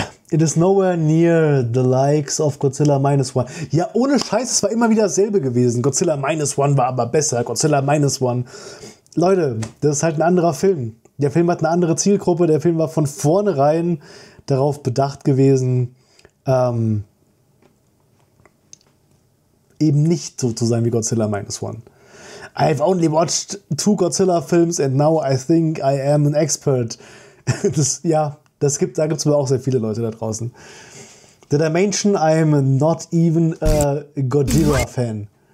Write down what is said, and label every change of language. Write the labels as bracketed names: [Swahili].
[English] It is nowhere near the likes of Godzilla Minus One. [German] Ja, ohne Scheiß, es war immer wieder dasselbe gewesen. Godzilla Minus One war aber besser. Godzilla Minus One. Leute, das ist halt ein anderer Film. Der Film hat eine andere Zielgruppe. Der Film war von vornherein darauf bedacht gewesen, eben nicht so zu sein wie Godzilla Minus One. [English] I've only watched two Godzilla films and now I think I am an expert. [German] Da gibt es aber auch sehr viele Leute da draußen. [English] Did I mention I'm not even a Godzilla fan?